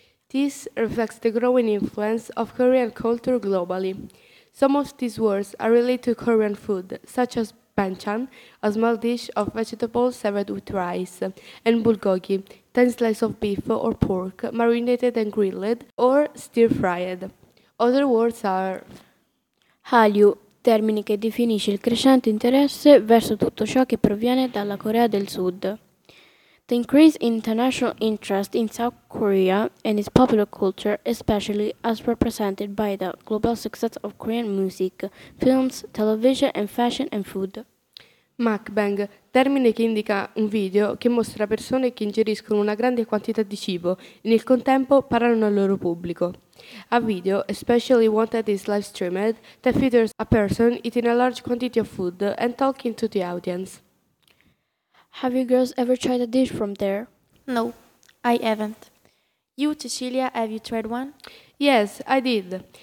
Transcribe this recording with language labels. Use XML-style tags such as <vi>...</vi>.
<en>This reflects the growing influence of Korean culture globally. Some of these words are related to Korean food, such as banchan, a small dish of vegetables served with rice, and bulgogi, 10 slices of beef or pork, marinated and grilled, or stir-fried. Other words are</en> <it>Hallyu, termine che definisce il crescente interesse verso tutto ciò che proviene dalla Corea del Sud.</it> <en>The increase in international interest in South Korea and its popular culture, especially as represented by the global success of Korean music, films, television and fashion and food.</en> <it>Mukbang, termine che indica un video che mostra persone che ingeriscono una grande quantità di cibo e nel contempo parlano al loro pubblico.</it> <en>A video, especially one that is live streamed, that features a person eating a large quantity of food and talking to the audience. Have you girls ever tried a dish from there? No, I haven't. You, Cecilia, have you tried one? Yes, I did.</en>